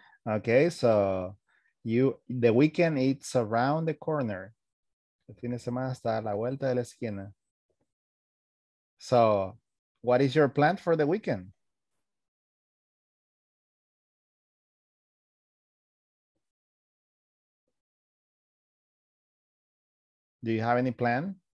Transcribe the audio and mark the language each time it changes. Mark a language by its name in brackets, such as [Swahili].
[English] Okay, so the weekend is around the corner. [Spanish] El fin de semana está a la vuelta de la esquina. [English] So, what is your plan for the weekend? Do you have any plan?